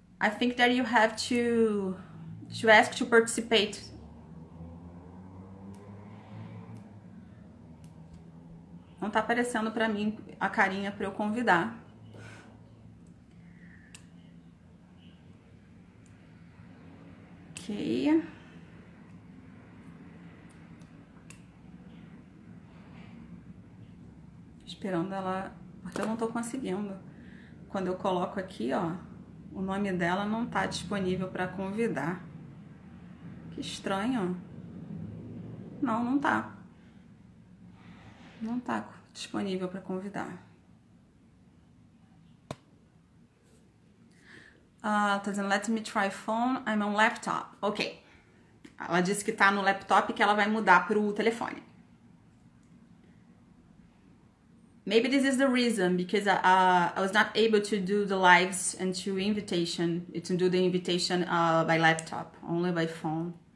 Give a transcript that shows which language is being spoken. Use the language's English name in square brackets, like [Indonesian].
[English] I think that you have to ask to participate. [Portuguese] Não tá aparecendo para mim a carinha para eu convidar. Ok. Esperando ela, porque eu não tô conseguindo. Quando eu coloco aqui, ó, o nome dela não tá disponível para convidar. Que estranho. Não, não tá. Não tá disponível para convidar. Ah, tá dizendo, [English] let me try phone, I'm on laptop. [Portuguese] Ok. Ela disse que tá no laptop e que ela vai mudar pro telefone. [English] Maybe this is the reason, because I was not able to do the lives and to invitation, to do the invitation by laptop, only by phone.